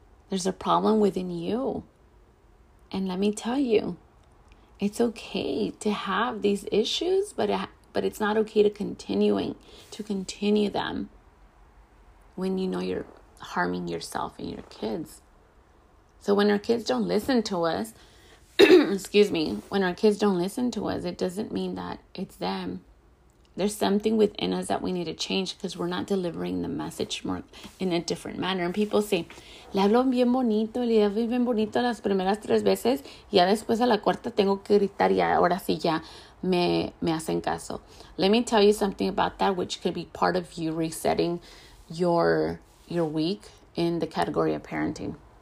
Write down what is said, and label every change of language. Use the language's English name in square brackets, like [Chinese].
[English] There's a problem within you. And let me tell you, it's okay to have these issues, but it's not okay to continue them when you know you're harming yourself and your kids. So when our kids don't listen to us, when our kids don't listen to us, it doesn't mean that it's them. There's something within us that we need to change because we're not delivering the message more in a different manner. And people say, [Spanish] le hablo bien bonito, le hablo bien bonito las primeras tres veces, ya después a la cuarta tengo que gritar y ahora sí ya me hacen caso. [English] Let me tell you something about that, which could be part of you resetting your week in the category of parenting.